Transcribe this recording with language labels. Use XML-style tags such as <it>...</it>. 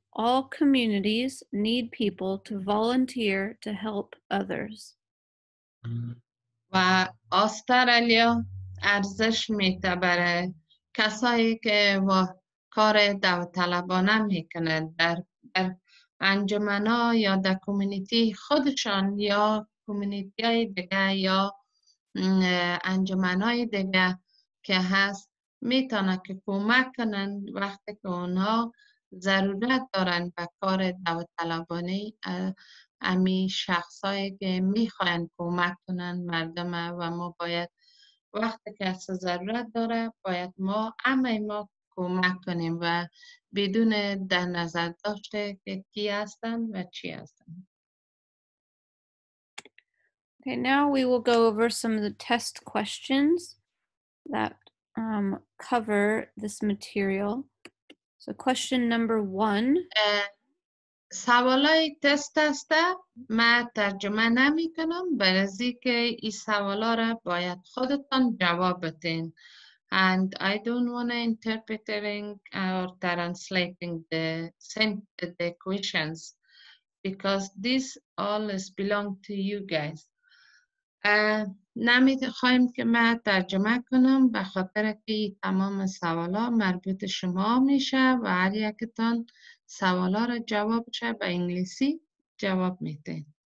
<en>All communities need people to volunteer to help others.</en> <fa>و استرالیا ارزش میده برای کسایی که و کار داوطلبانه میکنه در انجمنا یا در کمیونیتی خودشان یا کمیونیتی های دیگه یا انجمنای دیگه که هست میتونه که کمک کنن وقتی که اونا ضرورت دارن به کار داوطلبانه امی شخصایی که میخواین کمک کنن مردم و ما باید وقتی کسی ضرورت داره باید ما همه ما کمک کنیم و بدون در نظر داشته که کی هستن و چی هستن.</fa> <en>Okay, now we will go over some of the test questions that cover this material. So question number one.</en> <fa>سوالای تست است. ما ترجمه نمی کنم برای که این سوالا را باید خودتان جواب بدین.</fa> <en>And I don't want to interpreting or translating the questions because this all is belong to you guys.</en> <fa>نمی خواهیم که من ترجمه کنم به خاطر که این تمام سوال ها مربوط شما میشه و هر یکتان سوال ها را جواب شه به انگلیسی جواب میده.</fa>